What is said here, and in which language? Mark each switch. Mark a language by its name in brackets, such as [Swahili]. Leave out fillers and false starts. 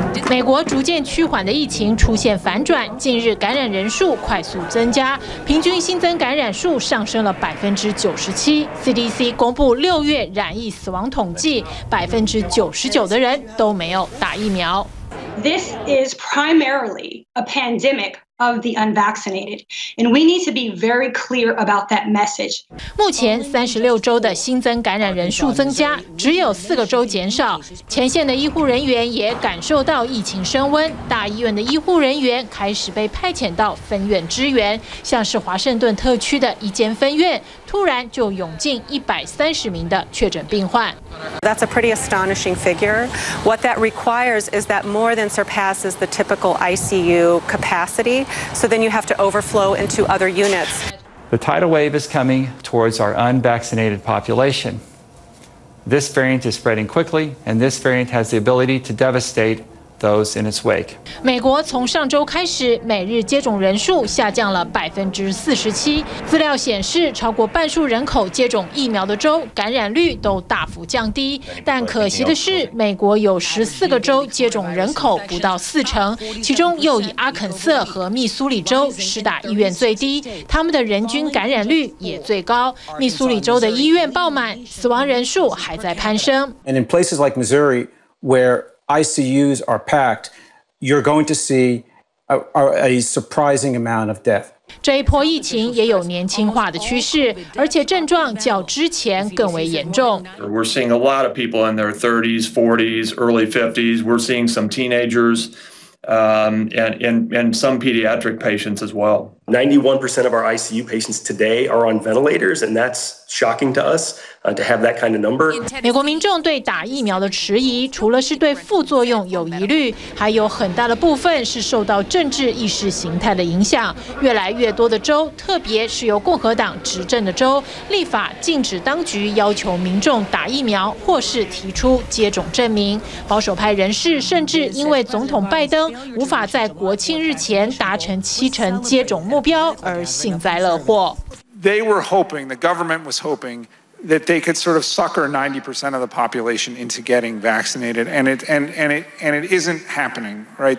[Chinese] 美国逐渐趋缓的疫情出现反转，近日感染人数快速增加，平均新增感染数上升了97%。 CDC 公布六月染疫死亡统计，99%的人都没有打疫苗。 [English] This is primarily a pandemic of the unvaccinated, and we need to be very clear about that message. [Chinese] 目前36州的新增感染人数增加，只有4个州减少。前线的医护人员也感受到疫情升温，大医院的医护人员开始被派遣到分院支援，像是华盛顿特区的一间分院，突然就涌进130名的确诊病患。 [English] That's a pretty astonishing figure. What that requires is that more than surpasses the typical ICU capacity. So then you have to overflow into other units. The tidal wave is coming towards our unvaccinated population. This variant is spreading quickly, and this variant has the ability to devastate those in its wake. [Chinese] 美国从上周开始，每日接种人数下降了47%。资料显示，超过半数人口接种疫苗的州，感染率都大幅降低。但可惜的是，美国有14个州接种人口不到40%，其中又以阿肯色和密苏里州施打意愿最低，他们的人均感染率也最高。密苏里州的医院爆满，死亡人数还在攀升。 [English] And in places like Missouri, whereICUs are packed, you're going to see a surprising amount of death. [Chinese] 这一波疫情也有年轻化的趋势，而且症状较之前更为严重。 [English] We're seeing a lot of people in their 30s, 40s, early 50s. We're seeing some teenagers, and some pediatric patients as well. 91% of our ICU patients today are on ventilators, and that's shocking to us. To have that kind of number. [Chinese] 美国民众对打疫苗的迟疑，除了是对副作用有疑虑，还有很大的部分是受到政治意识形态的影响。越来越多的州，特别是由共和党执政的州，立法禁止当局要求民众打疫苗或是提出接种证明。保守派人士甚至因为总统拜登无法在国庆日前达成70%接种目标而幸灾乐祸。 [English] They were hoping, the government was hoping. That they could sort of sucker 90% of the population into getting vaccinated, and it isn't happening, right?